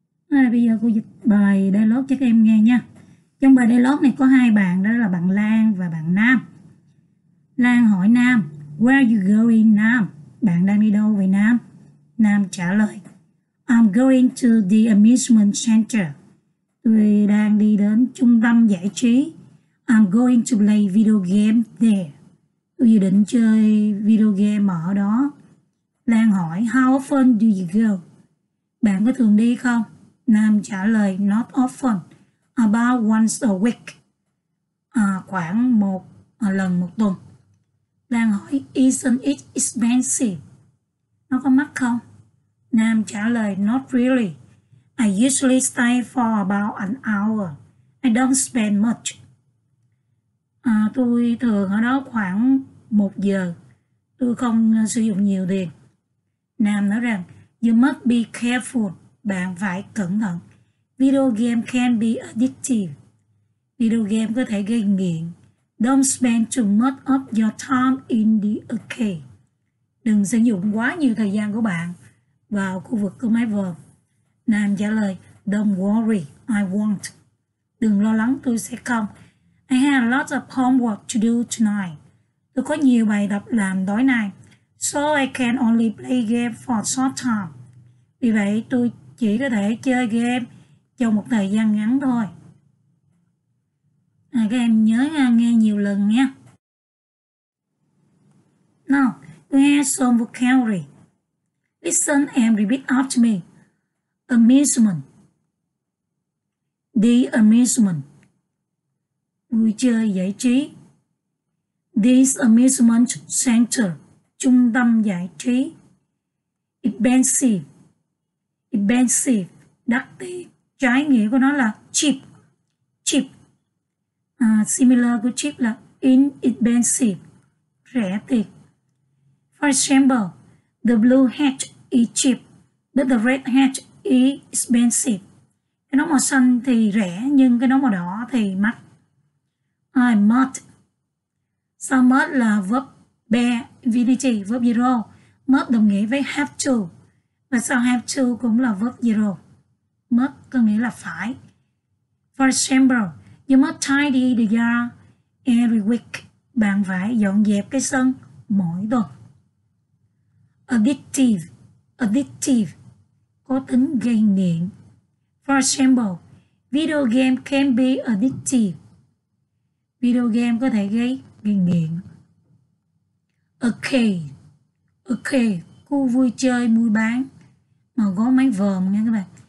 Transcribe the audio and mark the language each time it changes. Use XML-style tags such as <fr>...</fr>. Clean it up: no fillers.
<vi>Bây giờ cô dịch bài dialogue cho các em nghe nha. Trong bài dialogue này có hai bạn, đó là bạn Lan và bạn Nam. Lan hỏi Nam,</vi> <en>where are you going,</en> <vi>Nam? Bạn đang đi đâu vậy, Nam?</vi> <en>Nam</en> <vi>trả lời,</vi> <en>I'm going to the amusement center.</en> <vi>Tôi đang đi đến trung tâm giải trí.</vi> <en>I'm going to play video game there.</en> <vi>Tôi dự định chơi video game ở đó. Lan hỏi,</vi> <en>how often do you go?</en> <vi>Bạn có thường đi không?</vi> <en>Nam</en> <vi>trả lời,</vi> <en>not often. About once a week.</en> <vi>Khoảng một lần một tuần. Lan hỏi,</vi> <en>isn't it expensive?</en> <vi>Nó có mắc không?</vi> <en>Nam</en> <vi>trả lời,</vi> <en>not really. I usually stay for about an hour. I don't spend much.</en> <vi>Tôi thường ở đó khoảng một giờ. Tôi không sử dụng nhiều tiền. Nam nói rằng,</vi> <en>you must be careful.</en> <vi>Bạn phải cẩn thận.</vi> <en>Video game can be addictive.</en> <vi>Video game có thể gây nghiện.</vi> <en>Don't spend too much of your time in the arcade.</en> <vi>Đừng sử dụng quá nhiều thời gian của bạn vào khu vực của máy vờ. Nam trả lời,</vi> <en>don't worry, I won't.</en> <vi>Đừng lo lắng, tôi sẽ không.</vi> <en>I have a lot of homework to do tonight.</en> <vi>Tôi có nhiều bài tập làm tối nay.</vi> <en>So I can only play game for a short time.</en> <vi>Vì vậy, tôi chỉ có thể chơi game trong một thời gian ngắn thôi. Các em nhớ nghe nhiều lần nha.</vi> <en>Now, we have some vocabulary. Listen and repeat after me. Amusement. The amusement.</en> <vi>Vui chơi giải trí.</vi> <en>This amusement center.</en> <vi>Trung tâm giải trí.</vi> <en>Expensive. Expensive.</en> <vi>Đắt tiền. Trái nghĩa của nó là cheap. Cheap. Similar của cheap là inexpensive. Rẻ tiền.</vi> <en>For example, the blue hat is cheap, but the red hat is expensive.</en> <vi>Cái nón màu xanh thì rẻ, nhưng cái nón màu đỏ thì mắc.</vi> <en>I must.</en> <vi>Sao must là verb bear, infinity, verb zero. Must đồng nghĩa với have to. Và sao have to cũng là verb zero. Must có nghĩa là phải.</vi> <en>For example, you must tidy the yard every week.</en> <vi>Bạn phải dọn dẹp cái sân mỗi tuần. Addictive, addictive, có tính gây nghiện.</vi> <en>For example, video game can be addictive.</en> <vi>Video game có thể gây nghiện. Okay, khu vui chơi mua bán mà có máy vờm nha các bạn.</vi>